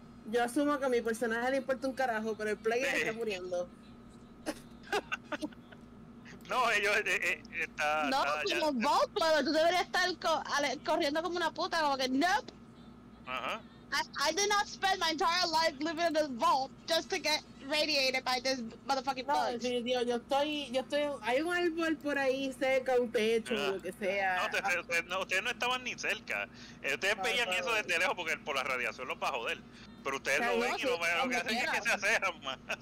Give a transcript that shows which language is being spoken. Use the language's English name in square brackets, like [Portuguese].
[Spanish] Yo asumo que a mi personaje le importa un carajo, pero el player está muriendo. No, ellos está. No, como vos, pero tú deberías estar corriendo como una puta, como que nope. Ajá. [English] I did not spend my entire life living in this vault just to get radiated by this motherfucking bug. [Spanish] No, sí, tío, yo estoy. Hay un árbol por ahí cerca, un techo, lo que sea. No, ustedes no estaban ni cerca. Ustedes veían eso desde lejos porque por la radiación los va a joder. Pero ustedes lo ven y lo ven. Lo que hacen es que se acercan más.